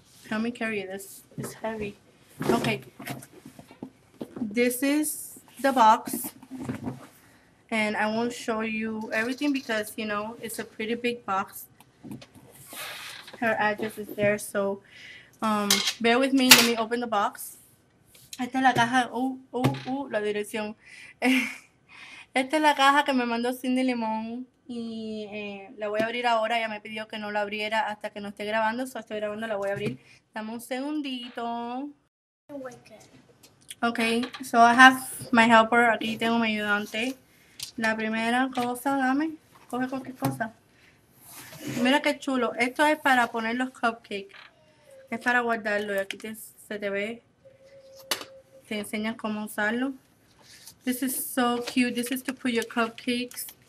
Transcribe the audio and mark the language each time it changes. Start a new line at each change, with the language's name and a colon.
English: Help me carry this. It's heavy. Okay, this is the box. And I won't show you everything because, you know, it's a pretty big box. Her address is there, so bear with me. Let me open the box.
Spanish: Esta es la caja. La dirección. Esta es la caja que me mandó Cindy Limón. Y la voy a abrir ahora. Ella me pidió que no la abriera hasta que no esté grabando. So estoy grabando, la voy a abrir. Dame un segundito.
English: Okay, so I have my helper.
Spanish: Aquí tengo mi ayudante. La primera cosa, dame, coge cualquier cosa. Mira qué chulo, esto es para poner los cupcakes. Es para guardarlo y aquí se te ve. Te enseña cómo usarlo.
English: This is so cute, this is to put your cupcakes.